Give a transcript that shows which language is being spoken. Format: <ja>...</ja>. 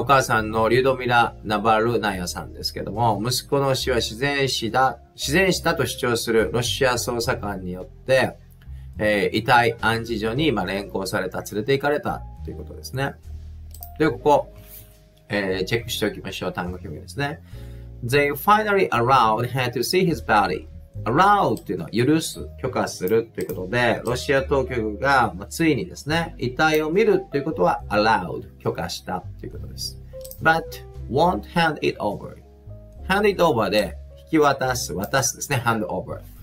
<ja>お母さんのリュドミラ・ナバルナヤさんですけども、息子の死は自然死だと主張するロシア捜査官によって、遺体安置所に今連行された、連れて行かれたということですね。で、ここ、チェックしておきましょう。単語表現ですね。</ja> <en>They finally allowed her to see his body.</en> <ja>Allow っていうのは許す、許可するということで、ロシア当局が、まあ、ついにですね、遺体を見るっていうことは allowed、許可したっていうことです。</ja> <en>But won't hand it over. Hand it over</en> <ja>で引き渡す、渡すですね。</ja> <en>Hand over。</en>